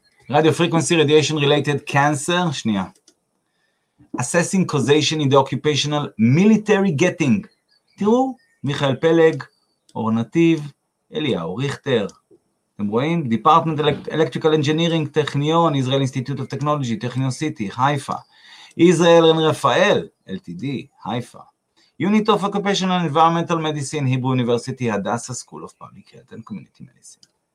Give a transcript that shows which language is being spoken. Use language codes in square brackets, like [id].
[en] Radio Frequency Radiation Related Cancer, [he] שנייה. [en] Assessing causation in the occupational military getting. [he] תראו, מיכאל פלג, אור נתיב, אליהו ריכטר. אתם רואים? [en] Department of Electrical Engineering, טכניון, Israel Institute of Technology, טכניון סיטי, חיפה. Israel and Rafael, LTD, חיפה. Unit of Occupational Environmental Medicine, Hebrew University, Hadassah School of Public Health and Community Medicine.